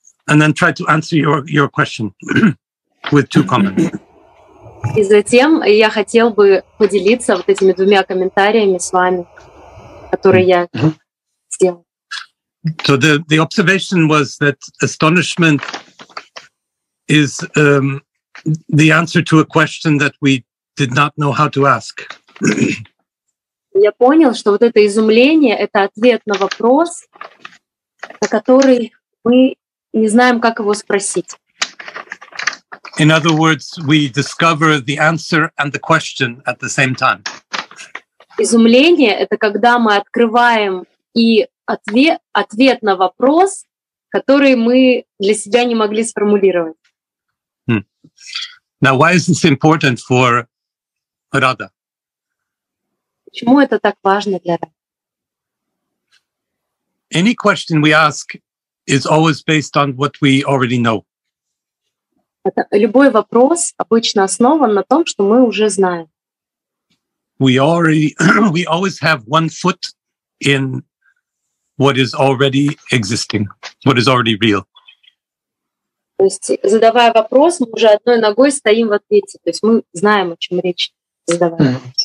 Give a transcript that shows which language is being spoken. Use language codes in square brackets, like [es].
[en] And then try to answer your question with two comments. [ru] И затем я хотел бы поделиться вот этими двумя комментариями с вами, которые я сделал. [en] So the observation was that astonishment is the answer to a question that we did not know how to ask. [ru] Я понял, что вот это изумление — это ответ на вопрос, на который мы не знаем, как его спросить. [en] In other words, we discover the answer and the question at the same time. [ru] Изумление — это когда мы открываем и ответ на вопрос, который мы для себя не могли сформулировать. [en] Hmm. Now, why is this important for Radha? [ru] Почему это так важно для Radha? [en] Any question we ask is always based on what we already know. [ru] Любой вопрос обычно основан на том, что мы уже знаем. [en] We always have one foot in what is already existing, what is already real. [ru] То есть, задавая вопрос, мы уже одной ногой стоим в ответе. То есть мы знаем, о чем речь задаваем.